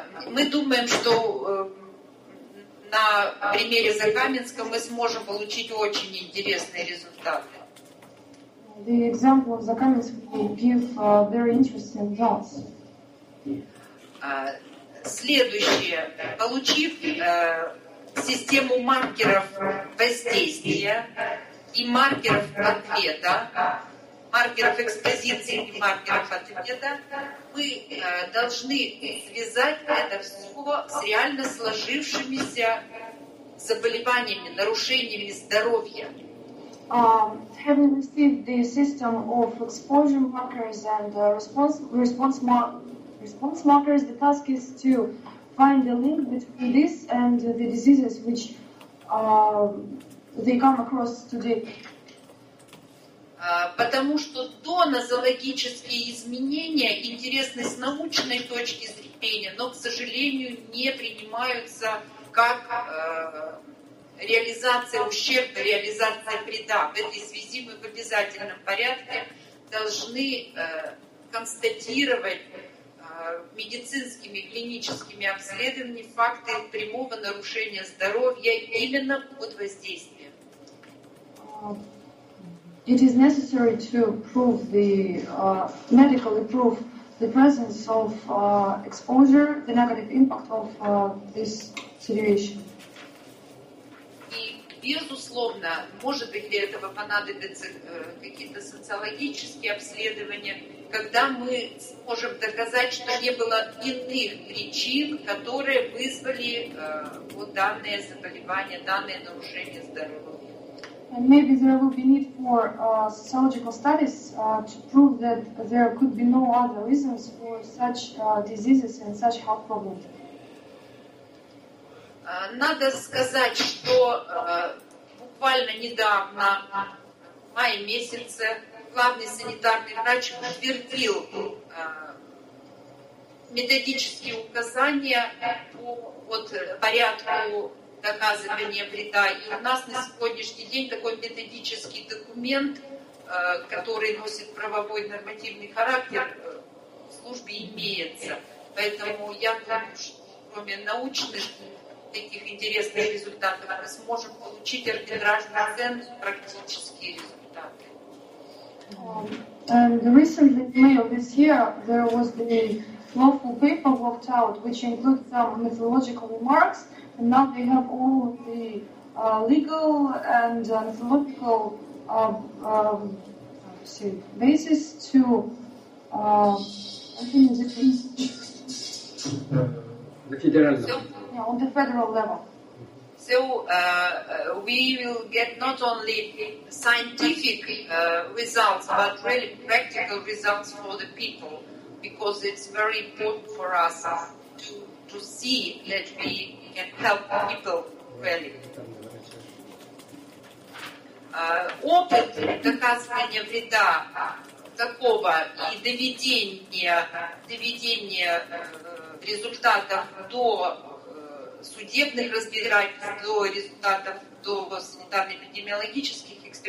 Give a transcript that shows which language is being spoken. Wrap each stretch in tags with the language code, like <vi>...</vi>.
<ru>Мы думаем, что на примере Закаменска мы сможем получить очень интересные результаты.</ru> <en>The example of Закаменск will give very interesting results.</en> <ru>Следующее. Получив систему маркеров воздействия и маркеров ответа, маркеров экспозиции и маркеров ответа, мы должны связать это все с реально сложившимися заболеваниями, нарушениями здоровья.</ru> <en>Having received the system of exposure markers and response markers, the task is to find the link between this and the diseases which they come across today.</en> <ru>Потому что донозологические изменения интересны с научной точки зрения, но, к сожалению, не принимаются как реализация ущерба, реализация вреда. В этой связи мы в обязательном порядке должны констатировать медицинскими клиническими обследованиями факты прямого нарушения здоровья именно под воздействием.</ru> <en>It is necessary to prove the medically prove the presence of exposure, the negative impact of this situation.</en> <ru>И безусловно, может быть, для этого понадобятся какие-то социологические обследования, когда мы сможем доказать, что не было иных причин, которые вызвали вот данное заболевание, данное нарушение здоровья.</ru> <en>And maybe there will be need for sociological studies to prove that there could be no other reasons for such diseases and such health problems.</en> <ru>Надо сказать, что буквально недавно, в мае месяце, главный санитарный врач утвердил методические указания по порядку доказывания вреда. И у нас на сегодняшний день такой методический документ, который носит правовой нормативный характер, в службе имеется. Поэтому я думаю, что кроме научных таких интересных результатов, мы сможем получить арбитражный оценку практические результаты.</ru> <en>And recently, in May of this year, there was the lawful paper worked out, which includes some methodological remarks. And now they have all the legal and methodological basis to on the federal level. So we will get not only scientific results, but really practical results for the people, because it's very important for us to see that we can help people really.</en> <ru>Опыт доказывания вреда такого и доведения результатов до судебных разбирательств, до результатов до санитарно-эпидемиологических экспертиз.</ru>